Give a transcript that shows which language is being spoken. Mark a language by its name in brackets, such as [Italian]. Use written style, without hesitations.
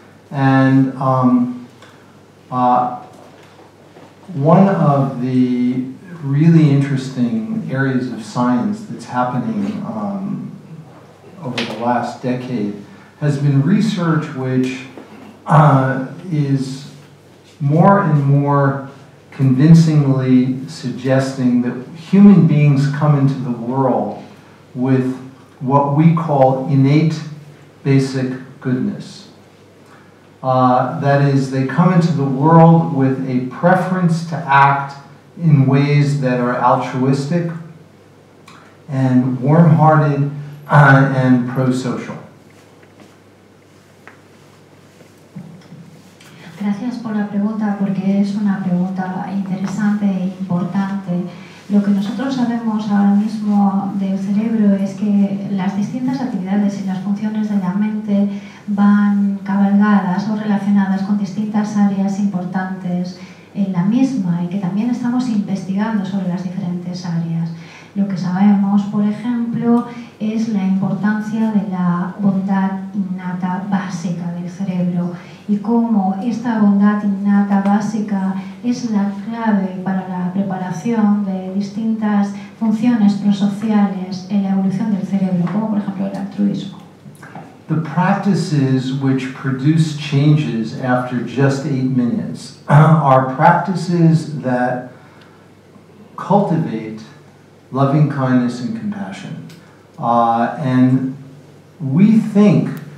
[English] And one of the really interesting areas of science that's happening over the last decade has been research which is more and more convincingly suggesting that human beings come into the world with what we call innate basic goodness. That is, they come into the world with a preference to act in ways that are altruistic and warm-hearted and pro-social. [Spanish] Gracias por la pregunta, porque es una pregunta interesante e importante. Lo que nosotros sabemos ahora mismo del cerebro es que las distintas actividades y las funciones de la mente van cabalgadas o relacionadas con distintas áreas importantes en la misma y que también estamos investigando sobre las diferentes áreas. Lo que sabemos, por ejemplo, es la importancia de la bondad innata básica del cerebro y cómo esta bondad innata básica es la clave para la preparación de distintas funciones prosociales en la evolución del cerebro, como por ejemplo el altruismo. [English] The practices which produce changes after just 8 minutes are practices that cultivate loving kindness and compassion. And we think